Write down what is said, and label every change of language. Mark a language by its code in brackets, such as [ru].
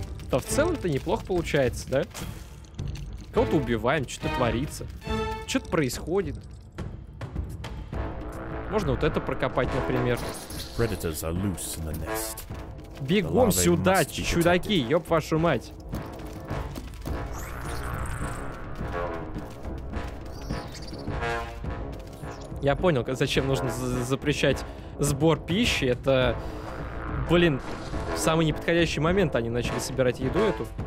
[ru] Да в целом-то неплохо получается, да? Кого-то убиваем, что-то творится. Что-то происходит. Можно вот это прокопать, например. [en] Predators are loose in the nest. [ru] Бегом сюда, чудаки, ёб вашу мать. Я понял, зачем нужно запрещать сбор пищи. Это, блин, самый неподходящий момент они начали собирать еду эту.